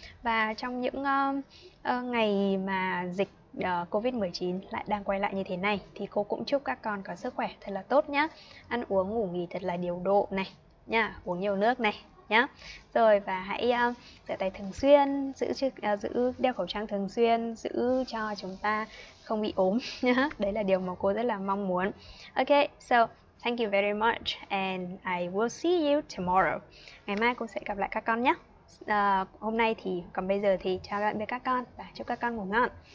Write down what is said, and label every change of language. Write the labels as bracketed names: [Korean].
[Vietnamese] Và trong những ngày mà dịch COVID-19 lại đang quay lại như thế này, thì cô cũng chúc các con có sức khỏe thật là tốt nhé. Ăn uống ngủ nghỉ thật là điều độ này nha, uống nhiều nước này nhá. Rồi và hãy rửa tay thường xuyên, giữ đeo khẩu trang thường xuyên, giữ cho chúng ta không bị ốm nhá. Đấy là điều mà cô rất là mong muốn. [English] Ok, so thank you very much and I will see you tomorrow. [Vietnamese] Ngày mai cô sẽ gặp lại các con nhé. Hôm nay thì còn bây giờ thì chào tạm biệt các con và chúc các con ngủ ngon.